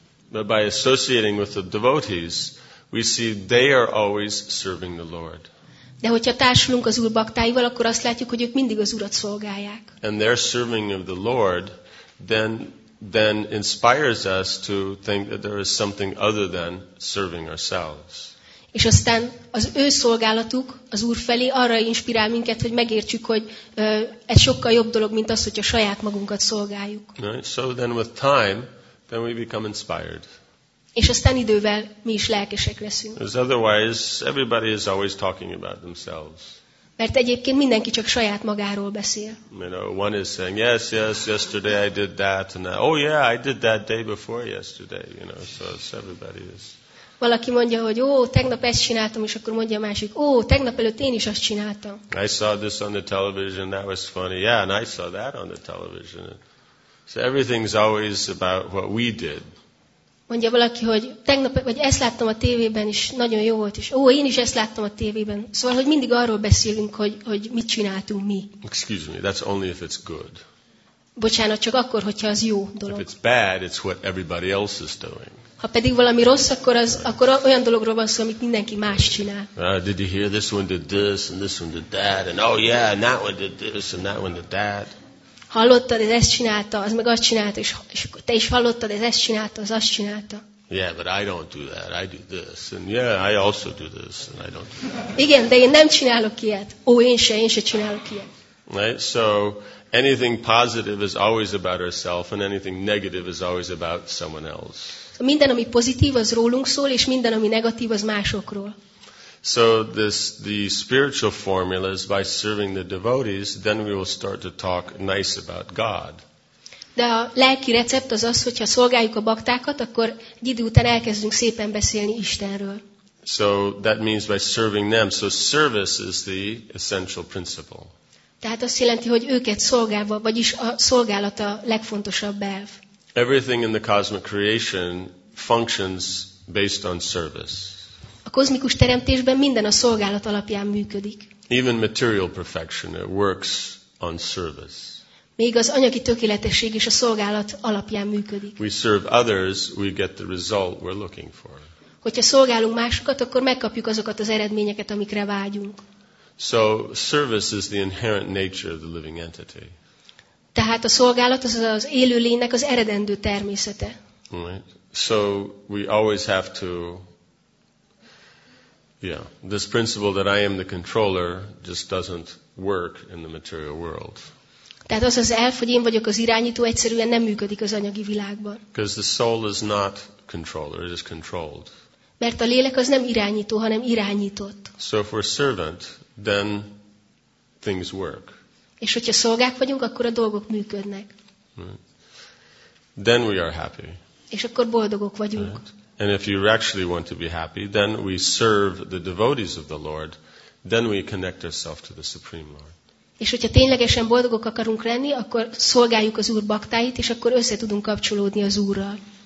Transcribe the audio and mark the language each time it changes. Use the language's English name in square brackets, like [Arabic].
[English] But by associating with the devotees, we see they are always serving the Lord. [Hungarian] De hogyha társulunk az Úr baktáival, akkor azt látjuk, hogy ők mindig az Urat szolgálják. [English] And their serving of the Lord then inspires us to think that there is something other than serving ourselves. [Hungarian] És aztán az ő szolgálatuk az Úr felé arra inspirál minket, hogy megértsük, hogy ez sokkal jobb dolog, mint az, hogyha saját magunkat szolgáljuk. [English] Right? So then with time, then we become inspired. [Hungarian] És aztán idővel mi is lelkesek leszünk. [English] Because otherwise, everybody is always talking about themselves. [Hungarian] Mert egyébként mindenki csak saját magáról beszél. [English] You know, one is saying, yes, yes, yesterday I did that, and that. Oh yeah, I did that day before yesterday. You know, so it's everybody is. [Hungarian] Valaki mondja, hogy ó, tegnap ezt csináltam, és akkor mondja a másik, ó, tegnap előtt én is azt csináltam. [English] I saw this on the television, that was funny. Yeah, and I saw that on the television. So everything's always about what we did. [Hungarian] Mondja valaki, hogy tegnap, vagy ezt láttam a tévében, és nagyon jó volt, és ó, én is ezt láttam a tévében. Szóval, hogy mindig arról beszélünk, hogy mit csináltunk mi. [English] Excuse me, that's only if it's good. [Hungarian] Bocsánat, csak akkor, hogyha az jó dolog. [English] If it's bad, it's what everybody else is doing. [Hungarian] Ha pedig valami rossz, akkor az, akkor olyan dologról van szó, amit mindenki más csinál. [English] Did you hear this one did this, and this one did that, and oh yeah, and that one did this, and that one did that. [Hungarian] Hallottad, ez ezt csinálta, az meg azt csinálta, és te is hallottad, ez ezt csinálta, az azt csinálta. [English] Yeah, but I don't do that, I do this, and yeah, I also do this, and I don't do that. [Hungarian] Igen, de én nem csinálok ilyet. Ó, én se csinálok ilyet. [English] Right, so anything positive is always about ourselves, and anything negative is always about someone else. [Hungarian] Minden, ami pozitív, az rólunk szól, és minden, ami negatív, az másokról. [English] So the spiritual formula is by serving the devotees, then we will start to talk nice about God. [Hungarian] De a lelki recept az az, hogyha szolgáljuk a baktákat, akkor egy idő után elkezdünk szépen beszélni Istenről. [English] So that means by serving them. So service is the essential principle. [Hungarian] Tehát azt jelenti, hogy őket szolgálva, vagyis a szolgálat a legfontosabb elv. [English] Everything in the cosmic creation functions based on service. [Hungarian] A kozmikus teremtésben minden a szolgálat alapján működik. [English] Even material perfection, it works on service. [Hungarian] Még az anyagi tökéletesség is a szolgálat alapján működik. [English] We serve others, we get the result we're looking for. [Hungarian] Hogyha szolgálunk másokat, akkor megkapjuk azokat az eredményeket, amikre vágyunk. [English] So service is the inherent nature of the living entity. [Hungarian] Tehát a szolgálat az az élőlénynek az eredendő természete. [English] Right. So we always have to, yeah, this principle that I am the controller just doesn't work in the material world. [Hungarian] Tehát az az elf, hogy én vagyok az irányító, egyszerűen nem működik az anyagi világban. [English] Because the soul is not controller, it is controlled. [Hungarian] Mert a lélek az nem irányító, hanem irányított. [English] So if we're servant, then things work. [Hungarian] És hogyha szolgák vagyunk, akkor a dolgok működnek. [English] Then we are happy. [Hungarian] És akkor boldogok vagyunk. [English] Right. And if you actually want to be happy, then we serve the devotees of the Lord, then we connect ourselves to the Supreme Lord. [Hungarian] És hogyha ténylegesen boldogok akarunk lenni, akkor szolgáljuk az Úr baktáit, és akkor össze tudunk kapcsolódni az Úrral.